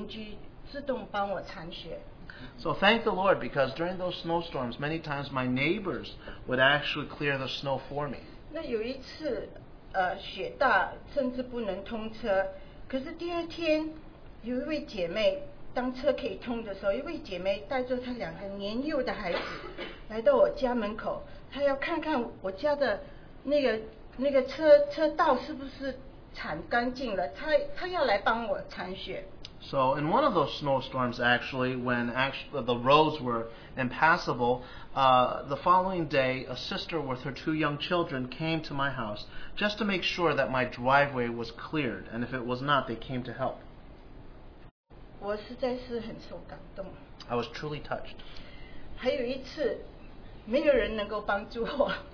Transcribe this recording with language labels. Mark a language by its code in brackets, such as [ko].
[zh] 那些大雪感谢神有时候我的邻居自动帮我铲雪 [en] So thank the Lord because during those snowstorms many times my neighbors would actually clear the snow for me [zh] 那有一次雪大甚至不能通车可是第二天有一位姐妹当车可以通的时候一位姐妹带着她两个年幼的孩子来到我家门口她要看看我家的那个 那个车道是不是铲干净了？他要来帮我铲雪。 [en] So in one of those snowstorms, actually, when the roads were impassable, the following day, a sister with her two young children came to my house just to make sure that my driveway was cleared, and if it was not, they came to help. [zh] 我实在是很受感动。 [en] I was truly touched. [zh] 还有一次，没有人能够帮助我。